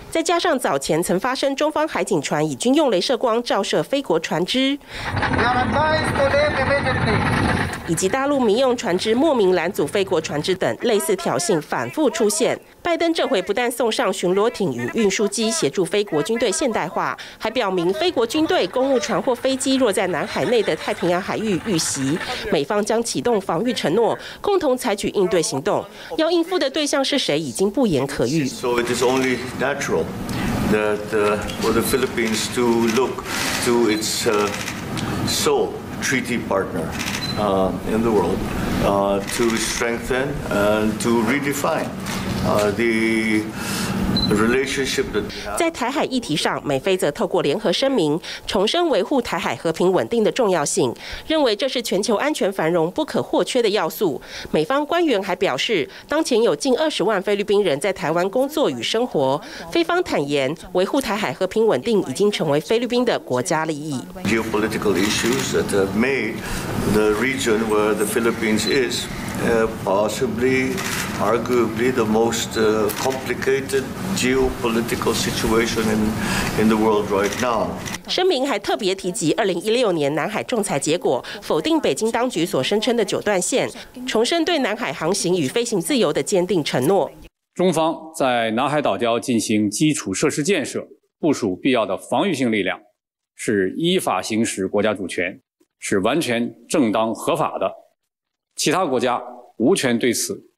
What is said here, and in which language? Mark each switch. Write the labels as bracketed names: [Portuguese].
[Chinese] 再加上早前曾发生中方海警船以军用镭射光照射菲国船只，以及大陆民用船只莫名拦阻菲国船只等类似挑衅反复出现，拜登这回不但送上巡逻艇与运输机协助菲国军队现代化，还表明菲国军队公务船或飞机若在南海内的太平洋海域遇袭，美方将启动防御承诺，共同采取应对行动。要应付的对象是谁，已经不言可喻。 [English] So it is only natural that for the Philippines to look to its sole treaty partner. In the world, to strengthen and to redefine the relationship that [Chinese] 在台海议题上，美菲则透过联合声明重申维护台海和平稳定的重要性，认为这是全球安全繁荣不可或缺的要素。美方官员还表示，当前有近20万菲律宾人在台湾工作与生活，菲方坦言维护台海和平稳定已经成为菲律宾的国家利益。 [English] Geopolitical issues that have made the region where the Philippines is possibly, arguably the most complicated. Geopolitical situation in the world right now. [Chinese] 声明还特别提及2016年南海仲裁结果，否定北京当局所声称的九段线，重申对南海航行与飞行自由的坚定承诺。中方在南海岛礁进行基础设施建设，部署必要的防御性力量，是依法行使国家主权，是完全正当合法的。其他国家无权对此